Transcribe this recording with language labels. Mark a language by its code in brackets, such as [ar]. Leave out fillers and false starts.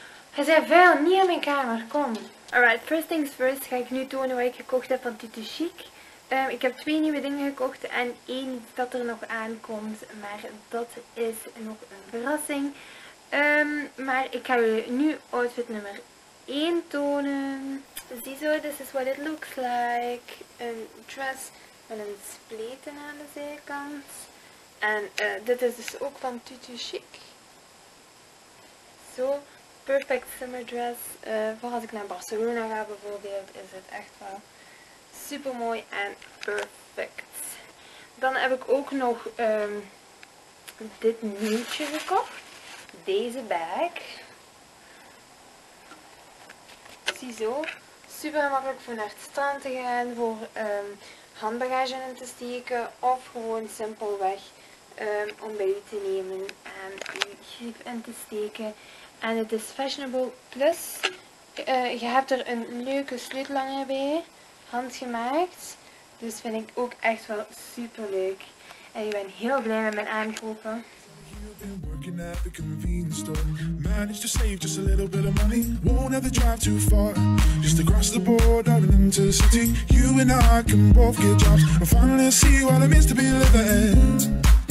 [nl] Hij zei vuil, niet in mijn kamer, kom. [en] Alright, first things first, [nl] ga ik nu tonen wat ik gekocht heb van Tutu Chic. Ik heb 2 nieuwe dingen gekocht en 1 dat er nog aankomt, maar dat is nog een verrassing. Maar ik ga jullie nu outfit nummer 1 tonen. Ziezo, [en] this is what it looks like. [nl] Een dress. Met een spleten aan de zijkant. En dit is dus ook van Tutu Chic. Zo, [en] perfect summer dress. [nl] Voor als ik naar Barcelona ga bijvoorbeeld, is het echt wel super mooi en perfect. Dan heb ik ook nog dit nieuwtje gekocht. Deze bag. Ziezo. Super makkelijk voor naar het strand te gaan. Voor handbagage in te steken of gewoon simpelweg om bij u te nemen en uw griep in te steken. En het is Fashionable Plus. Je hebt er een leuke sleutelhanger bij, handgemaakt. Dus vind ik ook echt wel super leuk. En ik ben heel blij met mijn aankopen. [en] At the convenience store, managed to save just a little bit of money. Won't have to drive too far, just across the border and into the city. You and I can both get jobs and finally see what it means to be living.